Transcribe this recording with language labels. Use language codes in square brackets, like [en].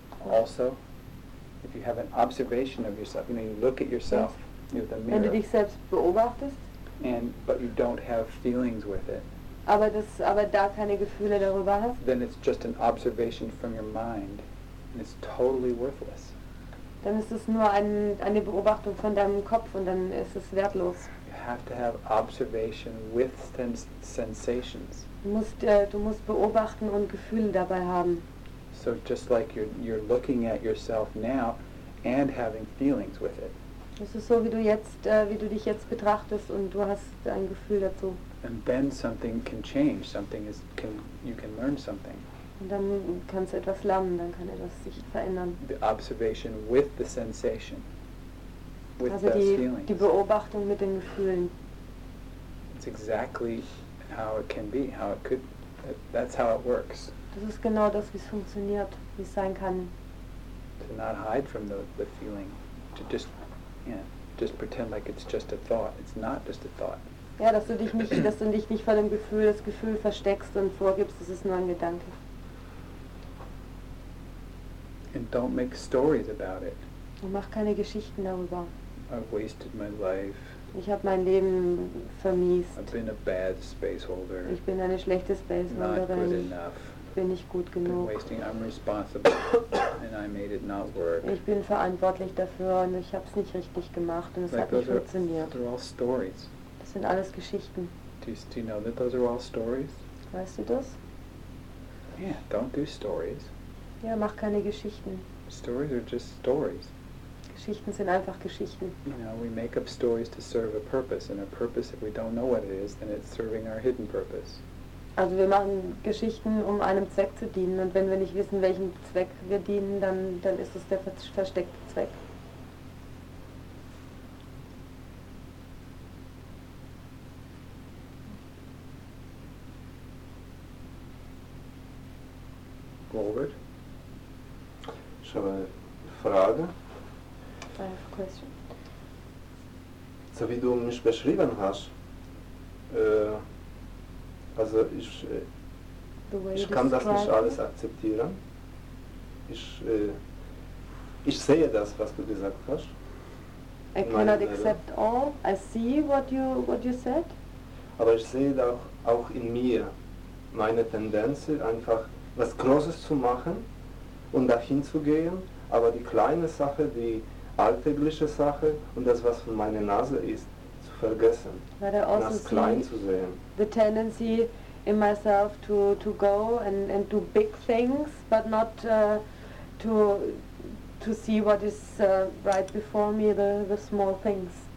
[en] Also, if you have an observation of yourself, you know, you look at yourself with a mirror. [de] Wenn du dich selbst beobachtest. [en] And but you don't have feelings with it. [de] Aber da keine Gefühle darüber hast. [en] Then it's just an observation from your mind, and it's totally worthless. [de] Dann ist es nur eine Beobachtung von deinem Kopf und dann ist es wertlos. [en] You have to have observation with sensations. [de] Du musst beobachten und Gefühle dabei haben. [en] So just like you're looking at yourself now and having feelings with it. [de] Es ist so, wie du dich jetzt betrachtest und du hast ein Gefühl dazu. [en] And then something can change. You can learn something. [de] Und dann kannst du etwas lernen, dann kann etwas sich verändern. [en] The observation with the sensation, with also those feelings. [de] Die Beobachtung mit den Gefühlen. [en] It's exactly how it can be, how it could, that's how it works. [de] Das ist genau das, wie es funktioniert, wie es sein kann. [en] To not hide from the feeling, to just, yeah, just pretend like it's just a thought. It's not just a thought. [de] Ja, dass du dich nicht vor dem Gefühl, das Gefühl versteckst und vorgibst, es ist nur ein Gedanke. [en] And don't make stories about it. [de] Und mach keine Geschichten darüber. [en] I've wasted my life. [de] Ich habe mein Leben vermiest. [en] I've been a bad space holder. [de] Ich bin eine schlechte Space Holderin. [en] Not good enough. [de] Ich bin nicht gut genug. [en] I'm responsible and I made it not work. [de] Ich bin verantwortlich dafür und ich habe es nicht richtig gemacht und es [en] like [de] hat nicht funktioniert. [en] Those are all stories. [de] Das sind alles Geschichten. [en] Do you know that those are all stories? [de] Weißt du das? [en] Yeah, don't do stories. [de] Ja, mach keine Geschichten. [en] Stories are just stories. [de] Geschichten sind einfach Geschichten. [en] You know, we make up stories to serve a purpose, and a purpose, if we don't know what it is, then it's serving our hidden purpose. [de] Also wir machen Geschichten, um einem Zweck zu dienen, und wenn wir nicht wissen, welchem Zweck wir dienen, dann ist es der versteckte Zweck. Robert? Ich habe eine Frage. [en] I have a question. [de] So wie du mich beschrieben hast, also ich kann das nicht alles akzeptieren. Ich sehe das, was du gesagt hast. [en] I cannot accept all. I see what you said. [de] Aber ich sehe auch in mir meine Tendenz, einfach was Großes zu machen und dahin zu gehen, aber die kleine Sache, die alltägliche Sache und das, was von meiner Nase ist, zu vergessen, das klein zu sehen. [en] The tendency in myself to go and do big things, but not to see what is right before me, the small things.